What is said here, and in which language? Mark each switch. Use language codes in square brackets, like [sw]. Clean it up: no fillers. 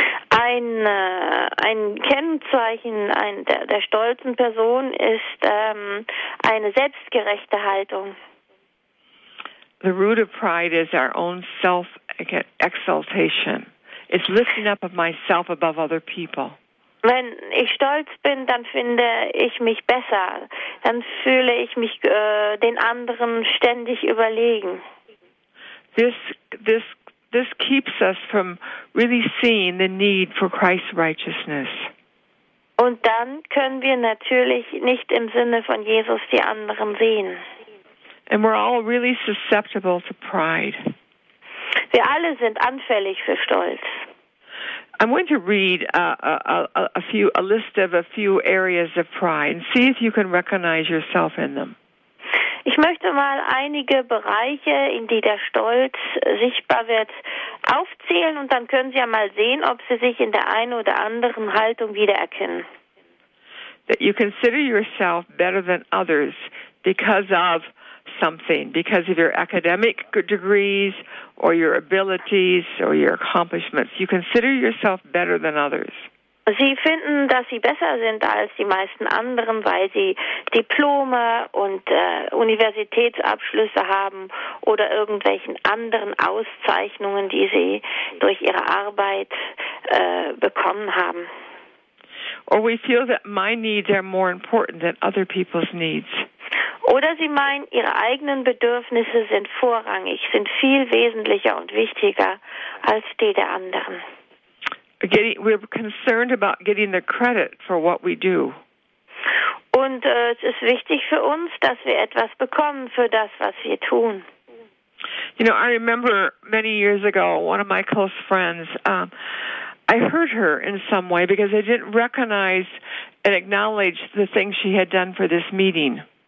[de] Ein Kennzeichen der stolzen Person ist eine selbstgerechte Haltung. [en] The root of pride is our own self-exaltation. It's lifting up of myself above other people. [de] Wenn ich stolz bin, dann finde ich mich besser. Dann fühle ich mich den anderen ständig überlegen. [en] This keeps us from really seeing the need for Christ's righteousness. [de] Und dann können wir natürlich nicht im Sinne von Jesus die anderen sehen. [en] And we're all really susceptible to pride. [de] Wir alle sind anfällig für Stolz. [en] I'm going to read a list of a few areas of pride and see if you can recognize yourself in them. [de] Ich möchte mal einige Bereiche, in die der Stolz sichtbar wird, aufzählen und dann können Sie ja mal sehen, ob Sie sich in der einen oder anderen Haltung wiedererkennen. [en] That you consider yourself better than others because of something, because of your academic degrees or your abilities or your accomplishments. You consider yourself better than others. [de] Sie finden, dass Sie besser sind als die meisten anderen, weil Sie Diplome und Universitätsabschlüsse haben oder irgendwelchen anderen Auszeichnungen, die Sie durch Ihre Arbeit bekommen haben. [en] Or we feel that my needs are more important than other people's needs. [de] Oder Sie meinen, Ihre eigenen Bedürfnisse sind vorrangig, sind viel wesentlicher und wichtiger als die der anderen. [en] We're concerned about getting the credit for what we do. [de] Und es ist wichtig für uns, dass wir etwas bekommen für das, was wir tun. [en] You know, I remember many years ago, one of my close friends, I hurt her in some way because I didn't recognize and acknowledge the things she had done for this meeting.